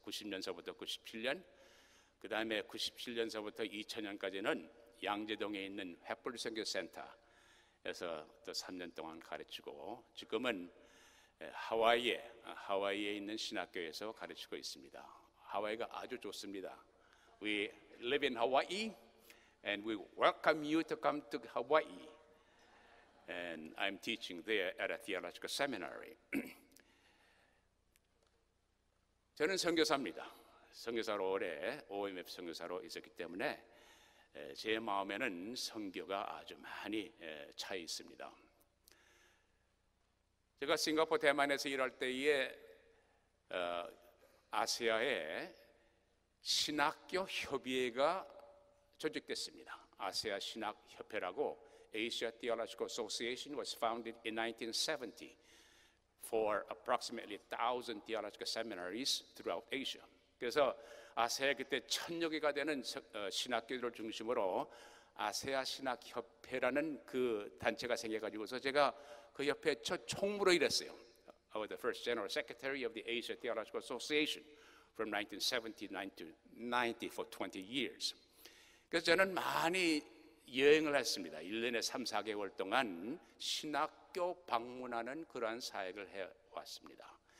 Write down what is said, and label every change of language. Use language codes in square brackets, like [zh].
[ko] 90년서부터 97년, 그 다음에 97년서부터 2000년까지는 양재동에 있는 횃불선교센터에서 또 3년 동안 가르치고, 지금은 하와이에 있는 신학교에서 가르치고 있습니다. 하와이가 아주 좋습니다. [en] We live in Hawaii and we welcome you to come to Hawaii. And I'm teaching there at a theological seminary. [ko] 저는 선교사입니다. 선교사로 오래 OMF 선교사로 있었기 때문에 제 마음에는 선교가 아주 많이 차 있습니다. 제가 싱가포르 대만에서 일할 때에 아시아의 신학교 협의회가 조직됐습니다. 아시아 신학 협회라고. [en] Asia Theological Association was founded in 1970 for approximately 1,000 theological seminaries throughout Asia. [ko] 그래서 아세아 그때 천여 개가 되는 신학교를 중심으로 아세아 신학협회라는 그 단체가 생겨가지고서 제가 그 협회 첫 총무로 일했어요. [en] I was the first general secretary of the Asia Theological Association from 1970 to 1990 for 20 years. [ko] 그래서 저는 많이 여행을 했습니다. 1년에 3, 4개월 동안 신학교 방문하는 그러한 사역을 해왔습니다.